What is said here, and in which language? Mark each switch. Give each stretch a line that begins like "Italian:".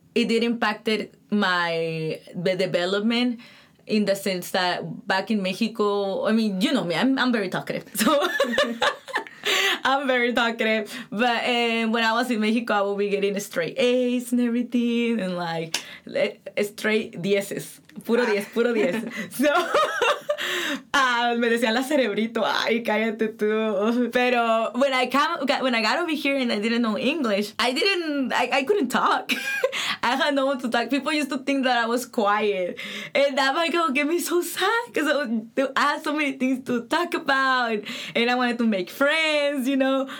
English: It did impact my development in the sense that back in Mexico, I mean, you know me, I'm very talkative. So I'm very talkative. But when I was in Mexico, I would be getting straight A's and everything, and like straight dieces,
Spanish: puro diez, puro diez. So me decían la cerebrito, ay, cállate tú. Pero
English: when I got over here and I didn't know English, I couldn't talk. I had no one to talk. People used to think that I was quiet. And that might go get me so sad because I had so many things to talk about and I wanted to make friends, you know.